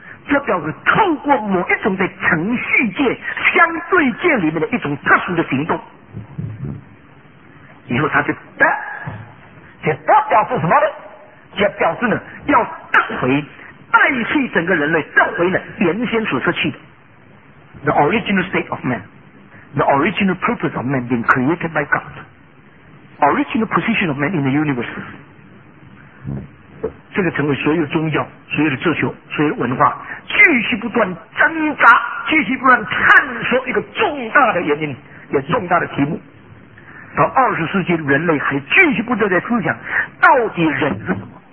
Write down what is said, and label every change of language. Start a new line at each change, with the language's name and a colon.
Chinese: 这表示透过某一种在程序界、相对界里面的一种特殊的行动，以后他就得，这得表示什么呢？这表示呢，要得回，代替整个人类得回了原先所失去的。
English: The original state of man, the original purpose of man being created by God, original position of man in the universe.
Chinese: 这个成为所有宗教、所有的哲学、所有的文化继续不断挣扎、继续不断探索一个重大的原因，也重大的题目。到二十世纪，人类还继续不断在思想，到底人是什么？